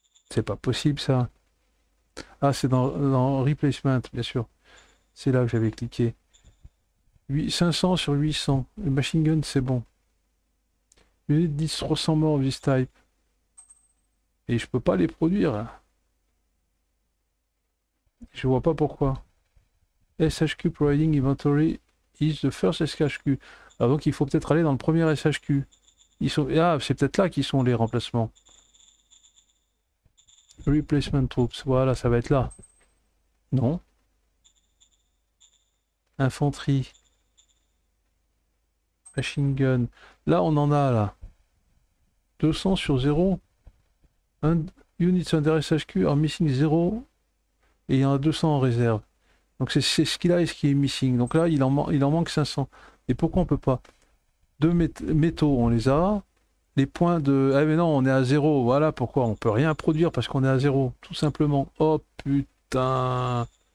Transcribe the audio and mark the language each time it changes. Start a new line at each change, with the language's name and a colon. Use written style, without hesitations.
French: C'est pas possible ça. Ah, c'est dans Replacement, bien sûr. C'est là que j'avais cliqué. 500 sur 800. Le machine gun, c'est bon. 10, 300 morts,
English: this type.
French: Et je peux pas les produire. Je vois pas pourquoi.
English: SHQ Providing Inventory is the first SHQ.
French: Ah, donc il faut peut-être aller dans le premier SHQ. Ils sont... Ah, c'est peut-être là qu'ils sont les remplacements. Replacement troops, voilà, ça va être là. Non. Infanterie. Machine gun. Là, on en a là. 200 sur 0. Un...
English: Units under SHQ are missing 0.
French: Et il y en a 200 en réserve. Donc c'est ce qu'il a et ce qui est missing. Donc là, il en manque 500. Et pourquoi on peut pas? Deux métaux, on les a. Les points de... Ah mais non, on est à zéro. Voilà pourquoi. On peut rien produire parce qu'on est à zéro. Tout simplement. Oh putain.